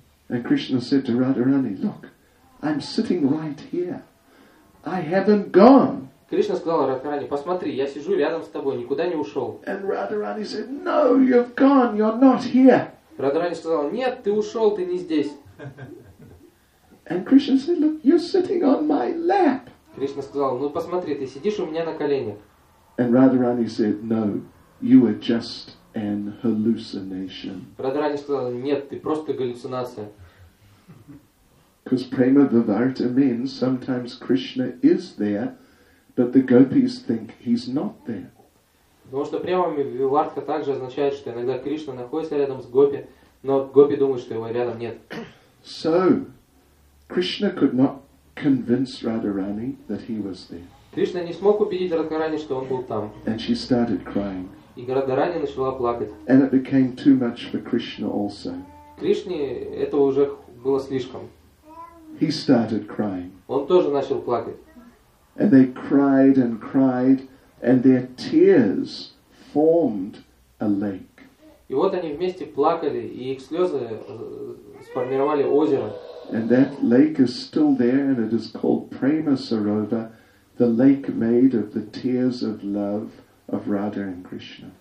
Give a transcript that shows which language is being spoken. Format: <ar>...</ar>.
<en>And Krishna said to Radharani, look, I'm sitting right here. I haven't gone.</en> <ru>Кришна сказал Радхарани, посмотри, я сижу рядом с тобой, никуда не ушел.</ru> <en>And Radharani said, no, you've gone, you're not here.</en> <ru>Радхарани сказал, нет, ты ушел, ты не здесь.</ru> <en>And Krishna said, look, you're sitting on my lap.</en> <ru>Кришна сказал, ну посмотри, ты сидишь у меня на коленях.</ru> <en>And Radharani said, no, you are just an hallucination.</en> <ru>Радхарани сказал, нет, ты просто галлюцинация.</ru> <en>Because prema vivarta means sometimes Krishna is there, but the gopis think he's not there.</en> <ru>Потому что према вивартха также означает, что иногда Кришна находится рядом с гопи, но гопи думают, что его рядом нет.</ru> <en>So, Krishna could not convince Radharani that he was there.</en> <ru>Кришна не смог убедить Радхарани, что он был там.</ru> <en>And she started crying.</en> <ru>И Радхарани начала плакать.</ru> <en>And it became too much for Krishna also.</en> <ru>Кришне это уже было слишком.</ru> <en>He started crying.</en> <ru>Он тоже начал плакать.</ru> <en>And they cried and cried, and their tears formed a lake.</en> <ru>И вот они вместе плакали, и их слезы сформировали озеро.</ru> <en>And that lake is still there, and it is called Prema Sarova, the lake made of the tears of love of Radha and Krishna.</en>